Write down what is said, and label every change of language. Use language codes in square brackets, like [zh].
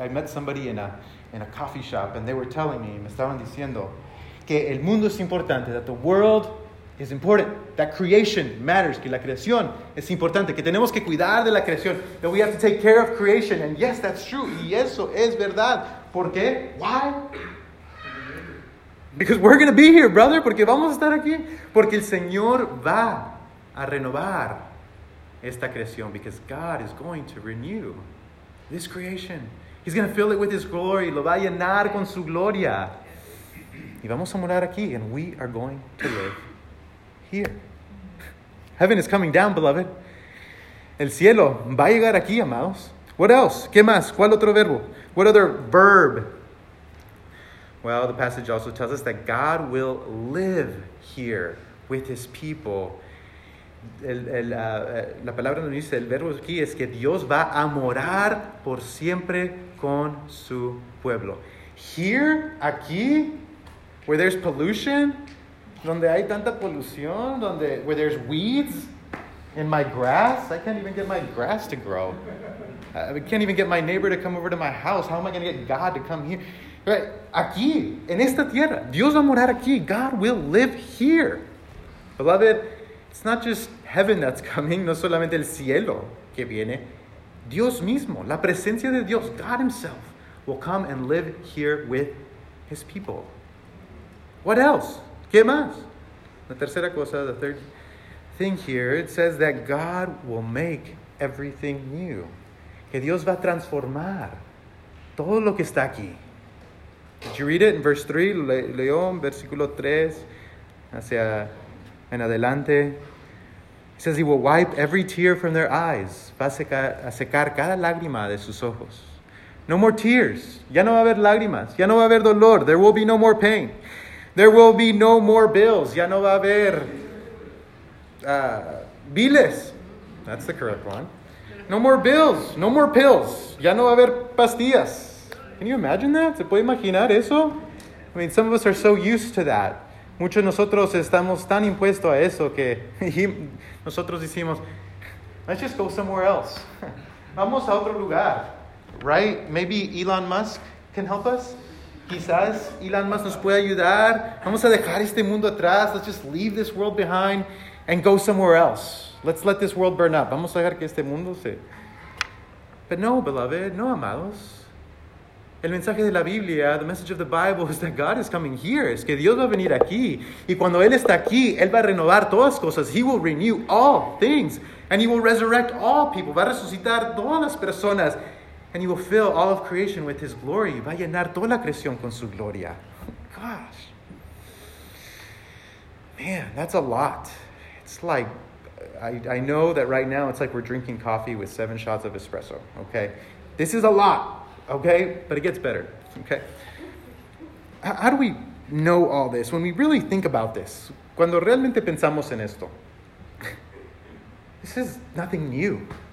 [en] I met somebody in a coffee shop, and they were telling me, [es] me estaban diciendo, que el mundo es importante, [en] that the world is important, that creation matters, [es] que la creación es importante, que tenemos que cuidar de la creación, [en] that we have to take care of creation. And yes, that's true. [es] Y eso es verdad. ¿Por qué? [en] Why? Because we're going to be here, brother. [es] Porque vamos a estar aquí. Porque el Señor va a renovar esta creación. [en] Because God is going to renew this creation. He's going to fill it with His glory. [es] Lo va a llenar con su gloria. Y vamos a morar aquí. [en] And we are going to live here. Heaven is coming down, beloved. [es] El cielo va a llegar aquí, amados. [en] What else? [es] ¿Qué más? ¿Cuál otro verbo? [en] What other verb? Well, the passage also tells us that God will live here with His people. [es] La palabra nos dice, el verbo aquí es que Dios va a morar por siempre con su pueblo. [en] Here, aquí, where there's pollution, [es] donde hay tanta polución, donde, [en] where there's weeds in my grass, I can't even get my grass to grow. I can't even get my neighbor to come over to my house. How am I going to get God to come here? Right. [es] Aquí, en esta tierra, Dios va a morar aquí. [en] God will live here. Beloved, it's not just heaven that's coming, [es] no solamente el cielo que viene. Dios mismo, la presencia de Dios, [en] God Himself, will come and live here with His people. What else? [es] ¿Qué más? La tercera cosa, [en] the third thing here, it says that God will make everything new. [es] Que Dios va a transformar todo lo que está aquí. [en] Did you read it in verse 3? [es] Leo en versículo 3, hacia en adelante. [en] It says, He will wipe every tear from their eyes. [es] Va a secar cada lágrima de sus ojos. [en] No more tears. [es] Ya no va a haber lágrimas. Ya no va a haber dolor. [en] There will be no more pain. There will be no more bills. [es] Ya no va a haber biles. [en] That's the correct one. No more bills. No more pills. [es] Ya no va a haber pastillas. [en] Can you imagine that? [es] ¿Se puede imaginar eso? [en] I mean, some of us are so used to that. [es] Muchos de nosotros estamos tan impuestos a eso que nosotros decimos, [en] let's just go somewhere else. [es] Vamos a otro lugar. [en] Right? Maybe Elon Musk can help us. [es] Quizás Elon Musk nos puede ayudar. Vamos a dejar este mundo atrás. [en] Let's just leave this world behind and go somewhere else. Let's let this world burn up. [es] Vamos a dejar que este mundo se... [en] But no, beloved. [es] No, amados. El mensaje de la Biblia, [en] the message of the Bible, is that God is coming here. [es] Es que Dios va a venir aquí. Y cuando Él está aquí, Él va a renovar todas cosas. [en] He will renew all things. And you will resurrect all people. Va a resucitar todas las personas. And you will fill all of creation with his glory. [es] Va a llenar toda la creación con su gloria. [en] Gosh. Man, that's a lot. It's like, I know that right now it's like we're drinking coffee with 7 shots of espresso. Okay? This is a lot. Okay? But it gets better. Okay? How do we know all this? When we really think about this, [es] cuando realmente pensamos en esto, [en] this is nothing new.